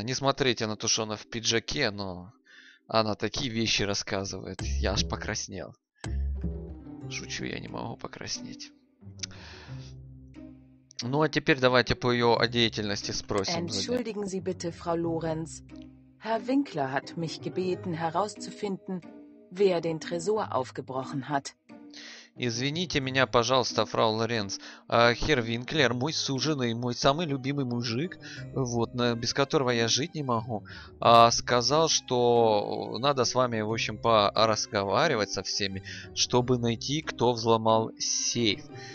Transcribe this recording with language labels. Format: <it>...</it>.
<ru>Не смотрите на то, что она в пиджаке, но она такие вещи рассказывает. Я аж покраснел. Шучу, я не могу покраснеть. Ну а теперь давайте по ее о деятельности спросим.</ru> <de>Entschuldigen Sie bitte, Frau Lorenz. Herr Winkler hat mich gebeten, herauszufinden, wer den Tresor aufgebrochen hat.</de> <ru>Извините меня, пожалуйста, фрау Лоренц. Хер Винклер, мой суженый, мой самый любимый мужик, вот, без которого я жить не могу, сказал, что надо с вами, в общем, поразговаривать со всеми, чтобы найти, кто взломал сейф.</ru>